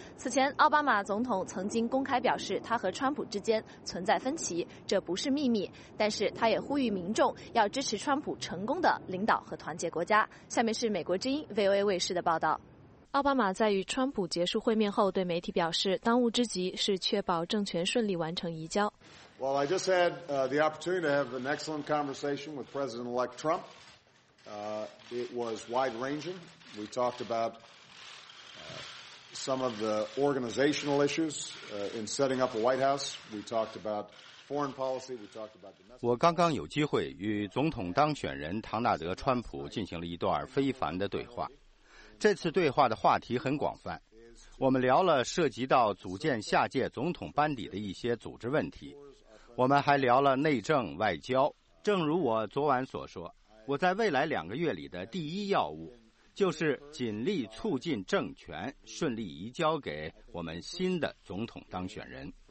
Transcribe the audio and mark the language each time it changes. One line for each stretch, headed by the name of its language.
Chinese: 此前，奥巴马总统曾经公开表示，他和川普之间存在分歧，这不是秘密。但是，他也呼吁民众要支持川普成功的领导和团结国家。下面是美国之音 VOA 卫视的报道。奥巴马在与川普结束会面后对媒体表示，当务之急是确保政权顺利完成移交。
English: Well, I just had the opportunity to have an excellent conversation with President-elect Trump. It was wide-ranging. We talked about some of the organizational issues in setting up a White House. We talked about foreign policy. We talked about domestic.
Chinese: 我刚刚有机会与总统当选人唐纳德·川普进行了一段非凡的对话。这次对话的话题很广泛，我们聊了涉及到组建下届总统班底的一些组织问题。我们还聊了内政外交。正如我昨晚所说，我在未来两个月里的第一要务就是尽力促进政权顺利移交给我们新的总统当选人。